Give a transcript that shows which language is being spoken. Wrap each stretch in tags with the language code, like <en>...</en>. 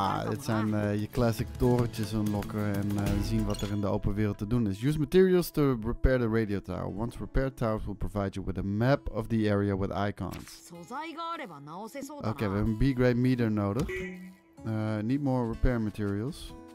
<nl>Dit zijn je classic torentjes unlocken en zien wat er in de open wereld te doen is.</nl> <en>Use materials to repair the radio tower. Once repaired, towers will provide you with a map of the area with icons.</en> <nl>Oké, we hebben een B-grade meter nodig.</nl> <en>Need more repair materials.</en>